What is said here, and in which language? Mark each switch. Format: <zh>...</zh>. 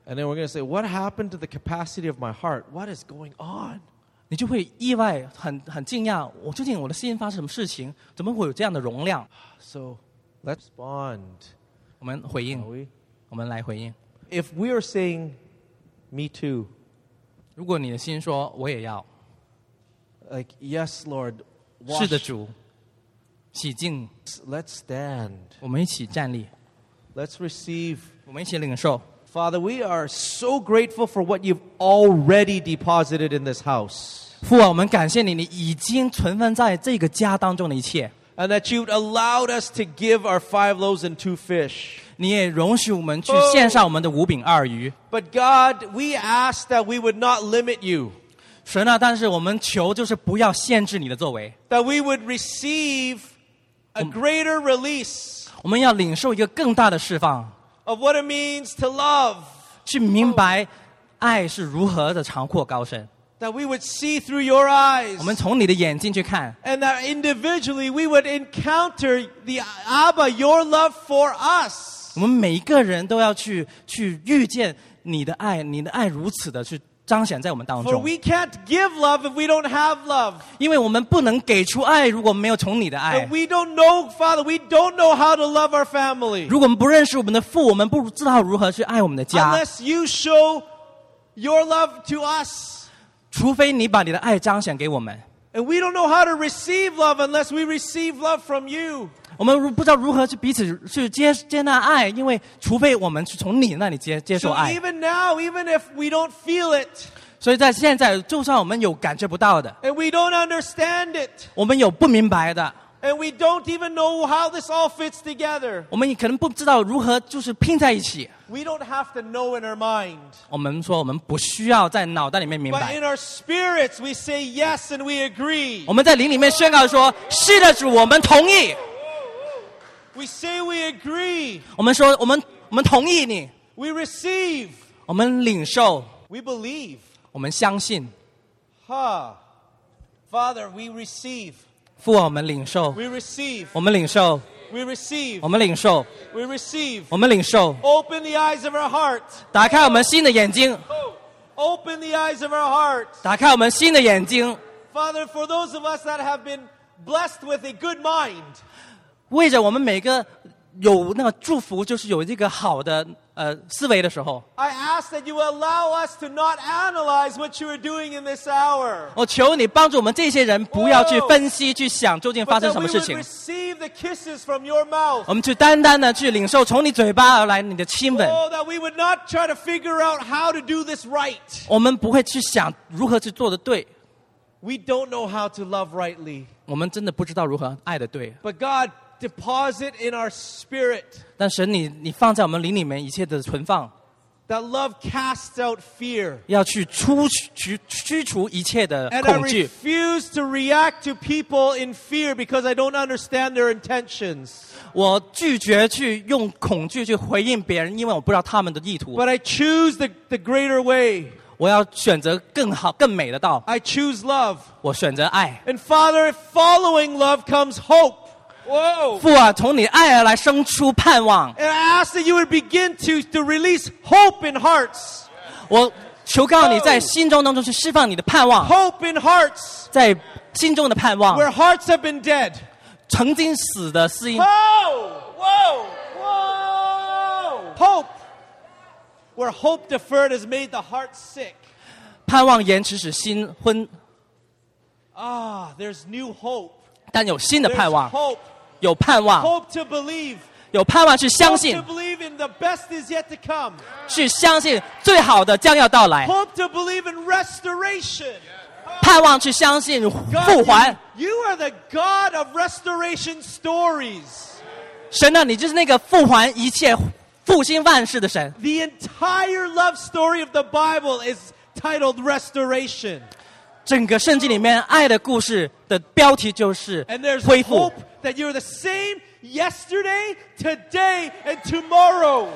<en>And then we're going to say, what happened to the capacity of my heart? What is going on?</en> <zh>你就会意外，很惊讶，我究竟我的心发生什么事情？怎么会有这样的容量？</zh> <en>So let's respond.</en> <zh>我们回应, 我们来回应。</zh> <en>If we are saying, me too,</en> <zh>如果你的心说, 我也要,</zh> <en>like, yes, Lord, wash,</en> <zh>是的主, 洗净,</zh> <en>let's stand,</en> <zh>我们一起站立,</zh> <en>let's receive,</en> <zh>我们一起领受。</zh> <en>Father, we are so grateful for what you've already deposited in this house.</en> <zh>父啊, 我们感谢你, 你已经存放在这个家当中的一切。</zh> <en>And that you allowed us to give our 5 loaves and 2 fish.</en> <zh>你也容许我们去献上我们的5饼2鱼。</zh> <en>But God, we ask that we would not limit you.</en> <zh>神啊, 但是我们求就是不要限制你的作为。</zh> <en>That we would receive a greater release.</en> <zh>我们要领受一个更大的释放。</zh> <en>Of what it means to love.</en> <zh>去明白爱是如何的长阔高深。</zh> <en>That we would see through your eyes.</en> <zh>我们从你的眼睛去看。</zh> <en>And that individually we would encounter the Abba, your love for us.</en> <zh>我们每一个人都要去遇见你的爱, 你的爱如此的去彰显在我们当中。</zh> <en>For we can't give love if we don't have love.</en> <zh>因为我们不能给出爱, 如果没有从你的爱。</zh> <en>And we don't know, Father, we don't know how to love our family.</en> <zh>如果我们不认识我们的父, 我们不知道如何去爱我们的家。</zh> <en>Unless you show your love to us.</en> <zh>除非你把你的爱彰显给我们。</zh> <en>And we don't know how to receive love unless we receive love from you.</en> <zh>我们不知道如何去彼此去接纳爱, 因为除非我们从你那里接受爱。</zh> <en>So even now, even if we don't feel it,</en> <zh>所以在现在, 就算我们有感觉不到的,</zh> <en>and we don't understand it,</en> <zh>我们有不明白的,</zh> <en>and we don't even know how this all fits together,</en> <zh>我们可能不知道如何就是拼在一起。</zh> <en>We don't have to know in our mind.</en> <zh>我们说我们不需要在脑袋里面明白。</zh> <en>But in our spirits, we say yes and we agree.</en> <zh>我们在灵里面宣告说, 是的主, 我们同意。</zh> <en>We say we agree.</en> <zh>我们说我们同意你。</zh> <en>We receive.</en> <zh>我们领受。</zh> <en>We believe.</en> <zh>我们相信。</zh> <en>Huh. Father, we receive.</en> <zh>父啊, 我们领受。</zh> <en>We receive.</en> <zh>我们领受。</zh> <en>We receive.</en> <zh>我们领受,</zh> <en>we receive.</en> <zh>我们领受,</zh> <en>open the eyes of our heart.</en> <zh>打开我们新的眼睛,</zh> <en>open the eyes of our heart.</en> <zh>打开我们新的眼睛,</zh> <en>Father, for those of us that have been blessed with a good mind,</en> <zh>为着我们每个有那个祝福就是有一个好的, 思维的时候,</zh> <en>I ask that you allow us to not analyze what you are doing in this hour.</en> <zh>我求你帮助我们这些人不要去分析, 去想究竟发生什么事情。</zh> <en>But that we would receive the kisses from your mouth.</en> <zh>我们去单单的去领受从你嘴巴而来你的亲吻。</zh> <en>Oh, that we would not try to figure out how to do this right.</en> <zh>我们不会去想如何去做得对。</zh> <en>We don't know how to love rightly.</en> <zh>我们真的不知道如何爱得对。</zh> <en>But God, deposit in our spirit.</en> <zh>但神你放在我们灵里面一切的存放。</zh> <en>That love casts out fear.</en> <zh>要去驱除一切的恐惧。</zh> <en>And I refuse to react to people in fear because I don't understand their intentions.</en> <zh>我拒绝去用恐惧去回应别人, 因为我不知道他们的意图。</zh> <en>But I choose the greater way.</en> <zh>我要选择更好, 更美的道。</zh> <en>I choose love.</en> <zh>我选择爱。</zh> <en>And Father, following love comes hope.</en> <zh>Whoa. 父啊,</zh> <en>and I ask that you would begin to release hope in hearts.</en> <zh>我求告你在心中当中去释放你的盼望。</zh> <en>Hope in hearts.</en> <zh>在心中的盼望。</zh> <en>Where hearts have been dead.</en> <zh>曾经死的是因。</zh> <en>Whoa! Whoa! Whoa! Hope. Where hope deferred has made the heart sick.</en> <zh>盼望延迟使心昏。</zh> <en>Ah, there's new hope.</en> <zh>但有新的盼望。</zh> <en>There's hope.</en> <zh>有盼望。</zh> <en>Hope to believe.</en> <zh>有盼望去相信,</zh> <en>hope to believe in the best is yet to come.</en> <zh>去相信最好的将要到来,</zh> <en>hope to believe in restoration.</en> <zh>Yeah. 盼望去相信复还,</zh> <en>God, you are the God of restoration stories.</en> <zh>神啊, 你就是那个复还一切,</zh> <en>the entire love story of the Bible is titled Restoration.</en> <zh>整个圣经里面爱的故事的标题就是,</zh> <en>and there's hope that you're the same yesterday, today, and tomorrow.</en>